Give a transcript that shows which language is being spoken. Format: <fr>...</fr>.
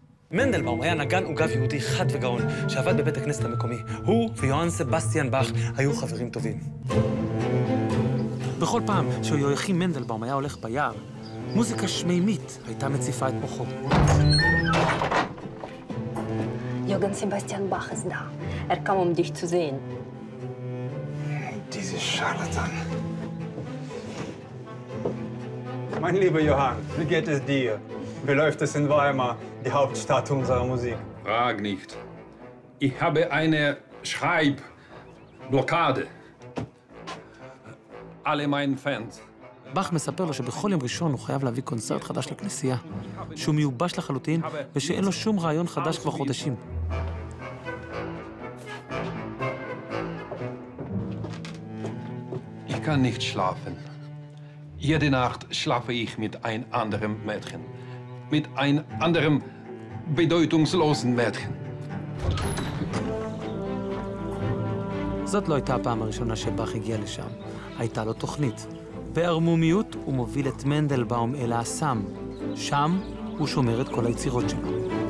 <he>מנדלבאום היה נגן וגב יהודי חד וגאון, שעבד בבית הכנסת המקומי. הוא ויוהן סבסטיאן באך היו חברים טובים. בכל פעם שיהויכין מנדלבאום היה הולך ביער, מוזיקה שמימית הייתה מציפה את מוחו.</he> <de>יוהן סבסטיאן באך ist da. Er kam dich zu sehen. Diese Scharlatan. Mein lieber Johann, wie geht es dir? Wie läuft es in Weimar, die Hauptstadt unserer Musik? Frag nicht. Ich habe eine Schreibblockade. Alle meinen Fans.</de> <he>באך מספר לו שבכל יום ראשון הוא חייב להביא קונצרט חדש לכנסייה, שהוא מיובש לחלוטין ושאין לו שום רעיון חדש כבר חודשים.</he> <de>Ich kann nicht schlafen. Jede Nacht schlafe ich mit ein anderem Mädchen. Mit ein anderem bedeutungslosen Mädchen.</de> <he>זאת לא הייתה הפעם הראשונה שבאך הגיע לשם. הייתה לו תוכנית. בערמומיות הוא מוביל את מנדלבאום אל האסם. שם הוא שומר את כל היצירות שלו.</he>